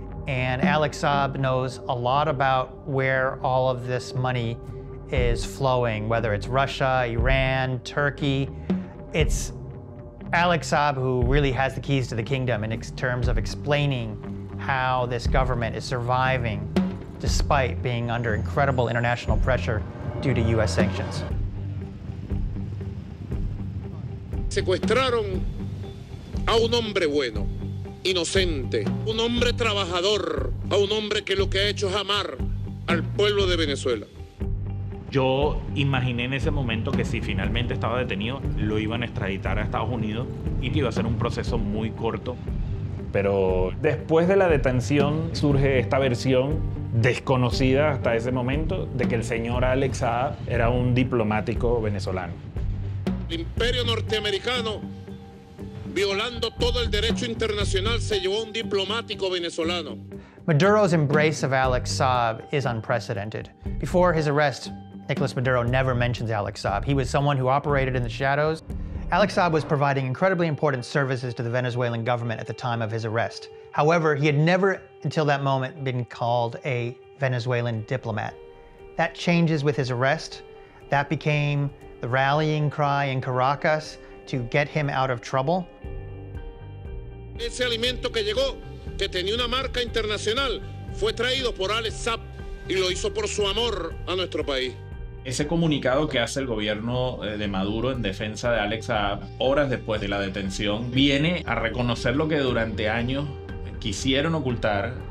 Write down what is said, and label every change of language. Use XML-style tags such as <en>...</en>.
<en>And Alex Saab knows a lot about where all of this money is flowing, whether it's Russia, Iran, Turkey. It's Alex Saab who really has the keys to the kingdom in terms of explaining how this government is surviving despite being under incredible international pressure due to U.S. sanctions.</en> <es>Secuestraron a un hombre bueno, inocente, un hombre trabajador, a un hombre que lo que ha hecho es amar al pueblo de Venezuela. Yo imaginé en ese momento que si finalmente estaba detenido, lo iban a extraditar a Estados Unidos y que iba a ser un proceso muy corto. Pero después de la detención surge esta versión desconocida hasta ese momento de que el señor Alex Saab era un diplomático venezolano. El imperio norteamericano, violando todo el derecho internacional, se llevó a un diplomático venezolano.</es> <en>Maduro's embrace of Alex Saab is unprecedented. Before his arrest, Nicolas Maduro never mentions Alex Saab. He was someone who operated in the shadows. Alex Saab was providing incredibly important services to the Venezuelan government at the time of his arrest. However, he had never, until that moment, been called a Venezuelan diplomat. That changes with his arrest. That became the rallying cry in Caracas to get him out of trouble.</en> <es>Ese alimento que llegó, que tenía una marca internacional, fue traído por Alex Saab y lo hizo por su amor a nuestro país. Ese comunicado que hace el gobierno de Maduro en defensa de Alex Saab, horas después de la detención, viene a reconocer lo que durante años quisieron ocultar.</es>